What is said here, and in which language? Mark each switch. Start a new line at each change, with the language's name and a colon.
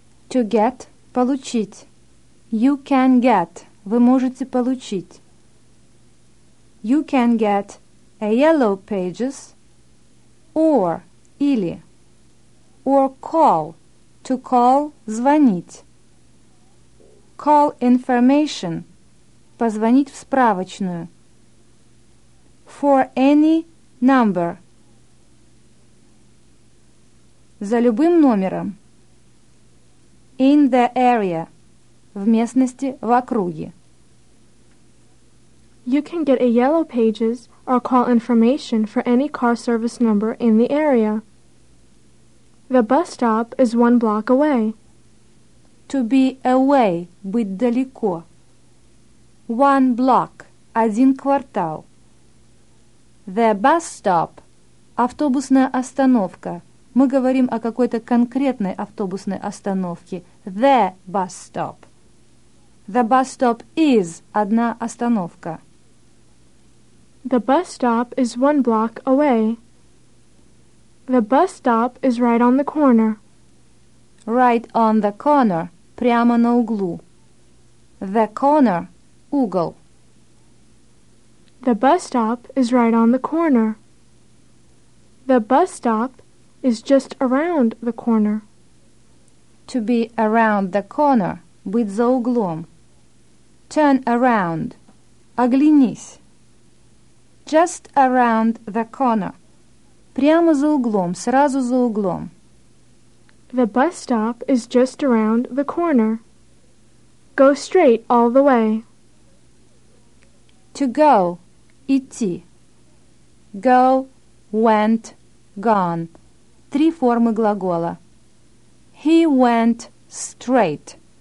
English: To get,
Russian: получить.
English: You can get,
Russian: вы можете получить.
English: You can get a Yellow Pages or,
Russian: или,
English: or call, to call,
Russian: звонить.
English: Call information,
Russian: позвонить в справочную.
English: For any number.
Russian: За любым номером.
English: In the area.
Russian: В местности, в округе.
English: You can get a Yellow Pages or call information for any car service number in the area. The bus stop is one block away. To be away,
Russian: быть далеко.
English: One block,
Russian: один квартал.
English: The bus stop,
Russian: автобусная остановка. Мы говорим о какой-то конкретной автобусной остановке.
English: The bus stop. The bus stop is
Russian: одна остановка.
English: The bus stop is one block away. The bus stop is right on the corner. Right on the corner,
Russian: прямо на углу.
English: The corner,
Russian: угол.
English: The bus stop is right on the corner. The bus stop is just around the corner. To be around the corner,
Russian: быть за углом.
English: Turn around,
Russian: оглянись.
English: Just around the corner.
Russian: Прямо за углом, сразу за углом.
English: The bus stop is just around the corner. Go straight all the way. To go.
Russian: Идти.
English: Go, went, gone.
Russian: Три формы глагола.
English: He went straight.